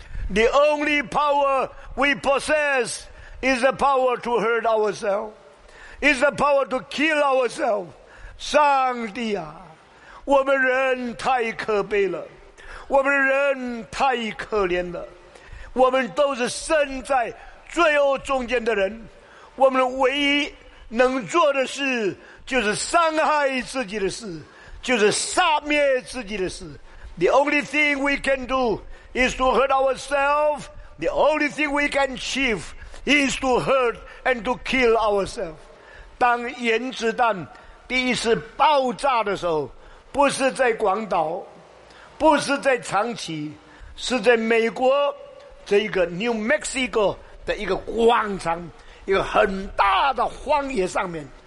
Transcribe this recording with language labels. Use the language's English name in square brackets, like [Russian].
[English] The only power we possess is the power to hurt ourselvesIs the power to kill ourselves. [Chinese] 上帝啊，我们人太可悲了，我们人太可怜了，我们都是身在罪恶中间的人，我们唯一能做的事就是伤害自己的事，就是杀灭自己的事。 [English] The only thing we can do is to hurt ourselves. The only thing we can achieve is to hurt and to kill ourselves. [Chinese] 当原子弹第一次爆炸的时候，不是在广岛，不是在长崎，是在美国这一个 New Mexico 的一个广场，一个很大的荒野上面。